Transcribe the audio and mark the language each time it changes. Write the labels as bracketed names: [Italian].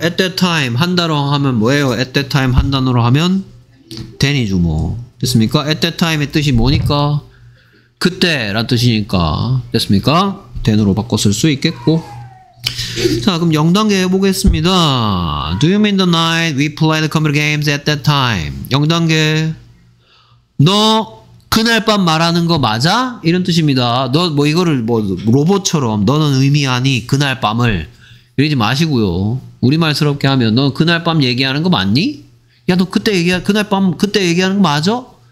[English] At that time [Korean] 한 단어 하면 뭐예요? At that time 한 단어로 하면 then이죠 뭐. 됐습니까? [English] At that time [Korean] 의 뜻이 뭐니까? 그때 라는 뜻이니까. 됐습니까? then으로 바꿨을 수 있겠고. 자, 그럼 0단계 해보겠습니다. [English] Do you mean the night we played computer games at that time? [Korean] 0단계. 너 그날 밤 말하는 거 맞아? 이런 뜻입니다. 너 뭐 이거를 뭐 로봇처럼 너는 의미하니 그날 밤을 이러지 마시고요. 우리말스럽게 하면 너 그날 밤 얘기하는 거 맞니? 야, 너 그때 얘기 그날 밤 그때 얘기하는 거 맞아?